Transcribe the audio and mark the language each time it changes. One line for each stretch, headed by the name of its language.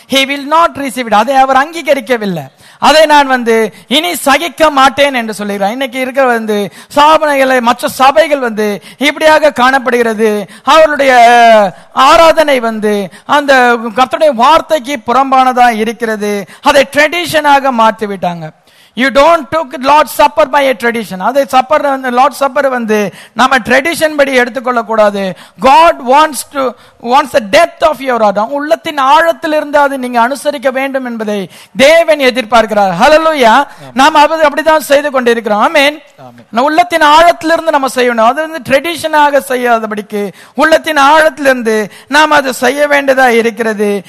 Tamil: அவருடைய அந்த ஓய்வு நாள் கடைபிடிக்கிறதையும் இந்த மாத பிறப்பு வருகிறதையும் எல்லாத்தையும் அவங்களுடைய பண்டிகை செலிப்ரேட் பண்றது எல்லாத்தையும் பார்க்கும் பொழுது அது அவருடைய அவருக்கு வந்து அது அருவறுப்பாய் காணப்படுகிறது என்று சொல்லுகிறார்.
English: The solemn worship just become stink in his nose he will not receive it.
Tamil: அதை அவர் அங்கீகரிக்கவில்லை. அதை நான் வந்து இனி சகிக்க மாட்டேன் என்று சொல்லுகிறேன். இன்னைக்கு இருக்கிற வந்து சாபனைகளை மற்ற சபைகள் வந்து இப்படியாக காணப்படுகிறது. அவருடைய ஆராதனை வந்து அந்த கர்த்தருடைய வார்த்தைக்கு புறம்பானதாக இருக்கிறது. அதை ட்ரெடிஷனாக மாற்றி விட்டாங்க.
English: You don't took Lord's Supper by a tradition.
Tamil: அதை சப்பர் லார்ட் சப்பர் வந்து நம்ம ட்ரெடிஷன் படி எடுத்துக்கொள்ள கூடாது.
English: God wants to wants the depth of your heart.
Tamil: உள்ளத்தின் ஆழத்திலிருந்து அது நீங்க அனுசரிக்க வேண்டும் என்பதை தேவன் எதிர்பார்க்கிறார். ஹல்லேலூயா. நாம் அப்படிதான் செய்து கொண்டிருக்கிறோம். ஆமென். உள்ளத்தின் ஆழத்திலிருந்து நம்ம செய்யணும். அது வந்து ட்ரெடிஷனாக செய்யாதபடிக்கு உள்ளத்தின் ஆழத்திலிருந்து நாம் அதை செய்ய வேண்டியதா இருக்கிறது.